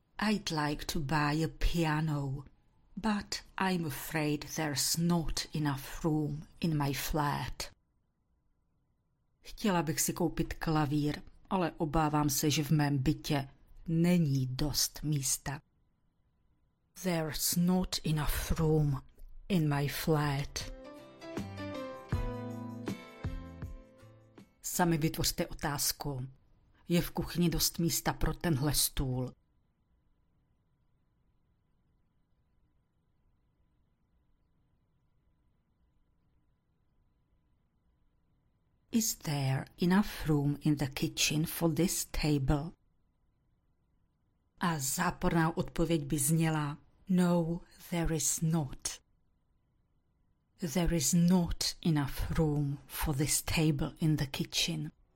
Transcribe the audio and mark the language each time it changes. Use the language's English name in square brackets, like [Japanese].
[English] I'd like to buy a piano, but I'm afraid there's not enough room in my flat. [Czech] Chtěla bych si koupit klavír, ale obávám se, že v mém bytě není dost místa. [English] There's not enough room in my flat. [Czech] Sami vytvořte otázku. Je v kuchyni dost místa pro tenhle stůl? [English] Is there enough room in the kitchen for this table? [Czech] A záporná odpověď by zněla: [English] No, there is not. There is not enough room for this table in the kitchen.